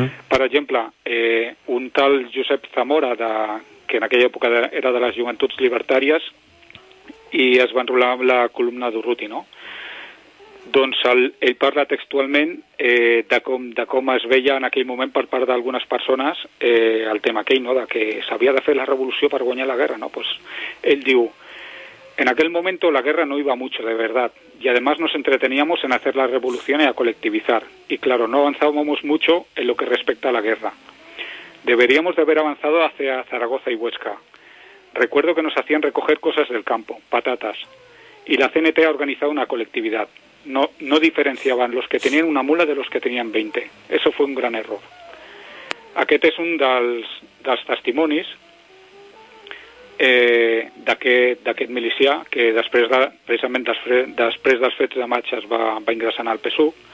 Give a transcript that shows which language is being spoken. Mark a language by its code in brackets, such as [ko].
[ca] Per exemple, un tal Josep Zamora, que en aquella època era de les Joventuts Llibertàries i es va enrolar amb la columna d'Urruti, no? Doncs ell parla textualment de com es veia en aquell moment per part d'algunes persones el tema aquell, no?, de que s'havia de fer la revolució per guanyar la guerra, no? [es] Pues [ca] ell diu, [es] en aquel momento la guerra no iba mucho, de verdad, y además nos entreteníamos en hacer la revolución y a colectivizar, y claro, no avanzábamos mucho en lo que respecta a la guerra. Deberíamos de haber avanzado hacia Zaragoza y Huesca. Recuerdo que nos hacían recoger cosas del campo, patatas, y la CNT ha organizado una colectividad. No diferenciaban los que tenían una mula de los que tenían 20. Eso fue un gran error. [ca] Aquest és un dels testimonis d'aquest milicià que després dels fets de maig es va ingressar al PSUC.